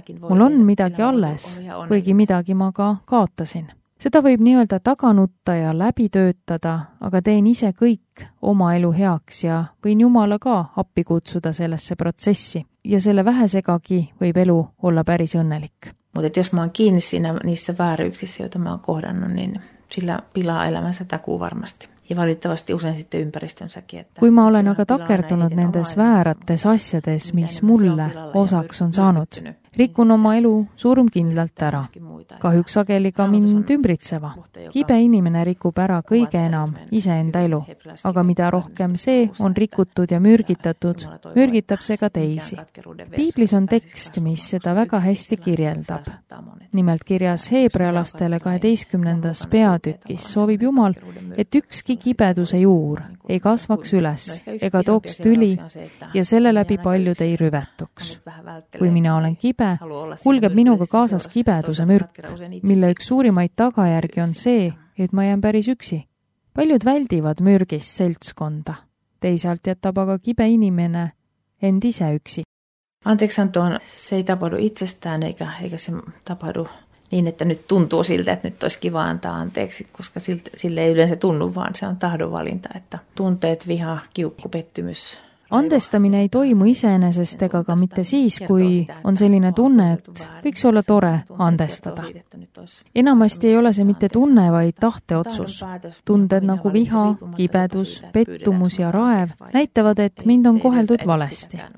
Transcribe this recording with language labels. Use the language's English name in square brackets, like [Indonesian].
[Estonian] Mul on midagi alles, kuigi midagi ma ka kaotasin. Seda võib nii-öelda taganutta ja läbi töötada, aga teen ise kõik oma elu heaks ja võin Jumala ka appi kutsuda sellesse protsessi. Ja selle vähesegagi võib elu olla päris õnnelik. [Finnish] Mutta jos mä oon kiinni siinä, niissä vääryyksissä, joita mä oon kohdannut, niin sillä pilaa elämänsä takuu varmasti. Ja valitettavasti usein sitten ympäristönsäkin. Että [Estonian] kui mä olen aika takertunut nendes väärates asjades, mis mulle osaks on saanud, rikkun oma elu suurumkindlalt ära. Kahjuks sageli ka mind ümbritseva. Kibe inimene rikub ära kõige enam ise enda elu. Aga mida rohkem see on rikutud ja mürgitatud, mürgitab see ka teisi. Piiblis on tekst, mis seda väga hästi kirjeldab. Nimelt kirjas heebrealastele 12. peatükis soovib Jumal, et ükski kibeduse juur ei kasvaks üles ega tooks tüli ja selle läbi paljud ei rüvetuks. Kui mina olen kibe, kulgeb minuga kaasas kibeduse mürk, mille üks suurimaid tagajärgi on see, et ma jään päris üksi. Paljud väldivad mürgist seltskonda. Teisalt jätab aga kibe inimene end ise üksi. [Finnish] Anteeksi Anton, see ei tapahdu itsestään eikä se tapahdu niin, että nyt tuntuu siltä, että nyt olisi kiva antaa anteeksi, koska sille ei yleensä tunnu, vaan se on tahdonvalinta, että tunteet, viha, kiukku, pettymys. [Estonian] Andestamine ei toimu iseenesest ega ka mitte siis, kui on selline tunne, et võiks olla tore andestada. Enamasti ei ole see mitte tunne, vaid tahteotsus. Tunded nagu viha, kibedus, pettumus ja raev näitavad, et mind on koheldud valesti.